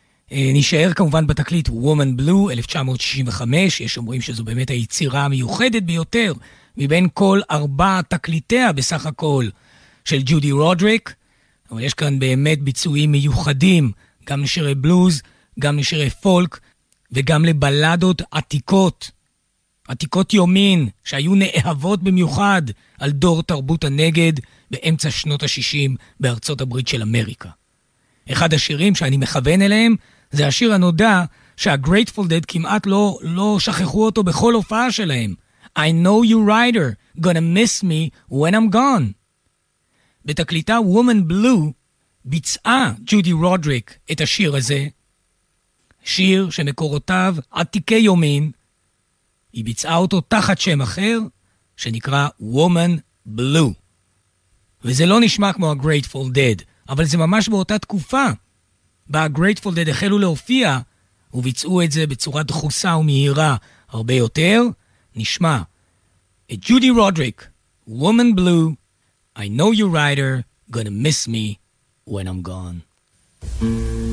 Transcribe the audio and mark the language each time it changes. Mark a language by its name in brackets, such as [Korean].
[Hebrew] נשאר כמובן בתקליט Woman Blue 1965, יש אומרים שזו באמת היצירה המיוחדת ביותר מבין כל ארבע תקליטיה בסך הכל של ג'ודי רודריק, אבל יש כאן באמת ביצועים מיוחדים, גם לשירי בלוז, גם לשירי פולק, וגם לבלדות עתיקות, עתיקות יומין, שהיו נאהבות במיוחד על דור תרבות הנגד באמצע שנות ה-60 בארצות הברית של אמריקה. אחד השירים שאני מכוון אליהם זה השיר הנודע שה-Grateful Dead כמעט לא שכחו אותו בכל הופעה שלהם. [English] I know you rider, gonna miss me when I'm gone. [Hebrew] בתקליטה Woman Blue ביצעה ג'ודי רודריק את השיר הזה, שיר שמקורותיו עתיקי יומין, היא ביצעה אותו תחת שם אחר, שנקרא Woman Blue. וזה לא נשמע כמו ה-Grateful Dead, אבל זה ממש באותה תקופה, בה ה-Grateful Dead החלו להופיע, וביצעו את זה בצורה דחוסה ומהירה הרבה יותר. נשמע את ג'ודי רודריק, Woman Blue, [English] I know you rider, gonna miss me when I'm gone.